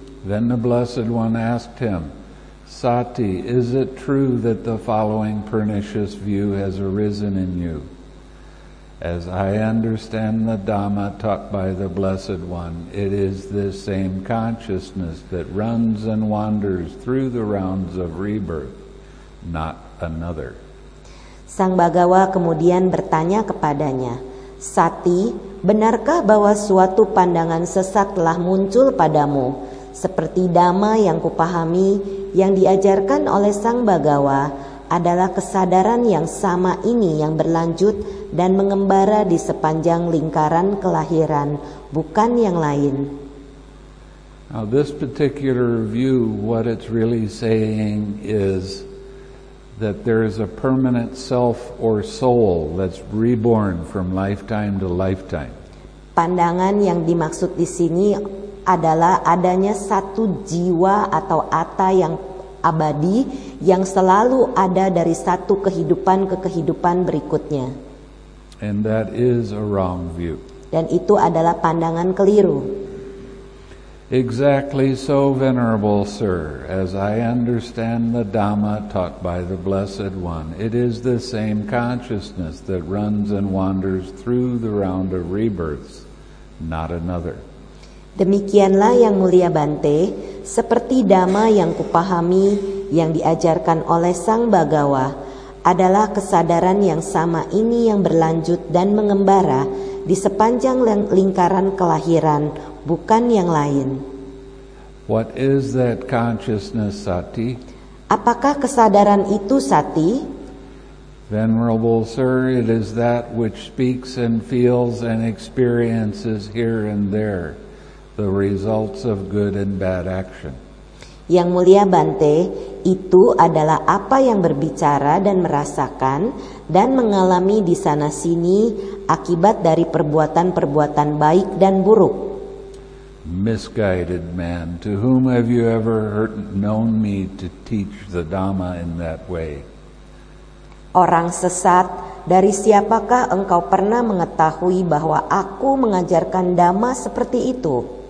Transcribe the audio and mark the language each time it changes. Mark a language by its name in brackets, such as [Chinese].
[English] Then the Blessed One asked him, "Sati, is it true that the following pernicious view has arisen in you? As I understand the Dhamma taught by the Blessed One, it is this same consciousness that runs and wanders through the rounds of rebirth, not another." [Indonesian] Sang Bhagawa kemudian bertanya kepadanya, "Sati, benarkah bahwa suatu pandangan sesat telah muncul padamu, seperti Dhamma yang kupahami, yang diajarkan oleh Sang Bhagawa, adalah kesadaran yang sama ini yang berlanjut dan mengembara di sepanjang lingkaran kelahiran, bukan yang lain?" [English] Now this particular view, what it's really saying is that there is a permanent self or soul that's reborn from lifetime to lifetime. [Indonesian] Pandangan yang dimaksud di sini adalah adanya satu jiwa atau atta yang abadi yang selalu ada dari satu kehidupan ke kehidupan berikutnya. [English] And that is a wrong view. [Indonesian] Dan itu adalah pandangan keliru. [English] "Exactly so, venerable sir. As I understand the Dhamma taught by the Blessed One, it is the same consciousness that runs and wanders through the round of rebirths, not another." [Indonesian] Demikianlah Yang Mulia Bante, seperti Dhamma yang kupahami yang diajarkan oleh Sang Bhagawa adalah kesadaran yang sama ini yang berlanjut dan mengembara di sepanjang lingkaran kelahiran, bukan yang lain. [English] "What is that consciousness, Sati?" [Indonesian] "Apakah kesadaran itu, Sati?" [English] "Venerable sir, it is that which speaks and feels and experiences here and there, the results of good and bad action." [Indonesian] Yang Mulia Bante, itu adalah apa yang berbicara dan merasakan dan mengalami di sana sini akibat dari perbuatan-perbuatan baik dan buruk. [English] "Misguided man, to whom have you ever heard known me to teach the Dhamma in that way?" [Indonesian] Orang sesat, dari siapakah engkau pernah mengetahui bahwa aku mengajarkan Dhamma seperti itu?